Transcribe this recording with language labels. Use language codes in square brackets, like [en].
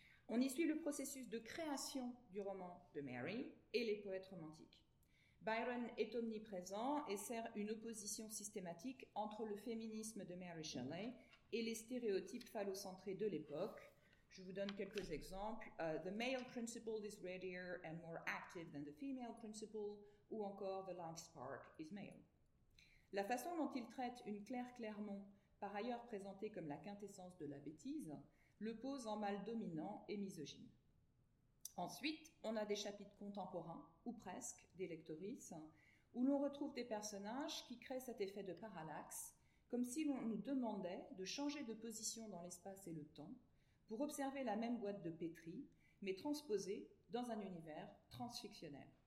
[fr] On y suit le processus de création du roman de Mary et les poètes romantiques. Byron est omniprésent et sert une opposition systématique entre le féminisme de Mary Shelley et les stéréotypes phallocentrés de l'époque. Je vous donne quelques exemples. [en] The male principle is readier and more active than the female principle, [fr] ou encore [en] the life spark is male. [fr] La façon dont il traite une Claire Clairmont, par ailleurs présentée comme la quintessence de la bêtise, le pose en mâle dominant et misogyne. Ensuite, on a des chapitres contemporains, ou presque, des lectorices, où l'on retrouve des personnages qui créent cet effet de parallaxe, comme si l'on nous demandait de changer de position dans l'espace et le temps, pour observer la même boîte de Pétri, mais transposée dans un univers transfictionnel.